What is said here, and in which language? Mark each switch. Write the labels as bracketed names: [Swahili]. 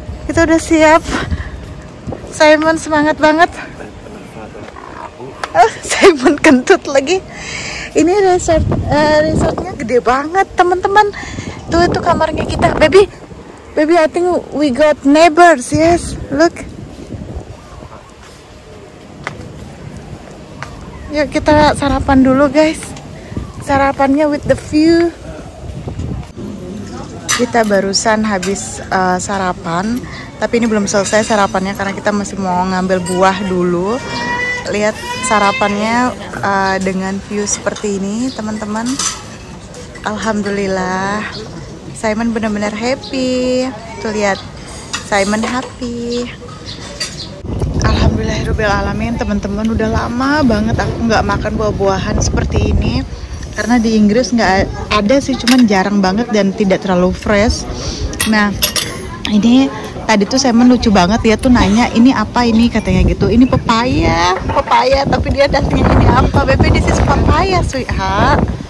[Indonesian] Kita udah siap. Simon semangat banget. Simon kentut lagi. Ini resortnya gede banget, teman-teman. Tuh itu kamarnya kita, baby. [English] Baby, I think we got neighbors. Yes, look. [Indonesian] Yuk kita sarapan dulu, guys. Sarapannya [English] with the view. [Indonesian] Kita barusan habis sarapan, tapi ini belum selesai sarapannya karena kita masih mau ngambil buah dulu. Lihat sarapannya dengan view seperti ini, teman-teman. Alhamdulillah, Simon benar-benar happy. Tuh lihat, Simon happy. Alhamdulillahirrahmanirrahim, teman-teman. Udah lama banget aku nggak makan buah-buahan seperti ini. Karena di Inggris nggak ada sih, cuman jarang banget dan tidak terlalu fresh. Nah, ini tadi tuh Simon lucu banget, dia tuh nanya ini apa ini, katanya gitu. Ini pepaya, pepaya. Tapi dia datangnya ini apa? [English] Baby, this is papaya, sweetheart.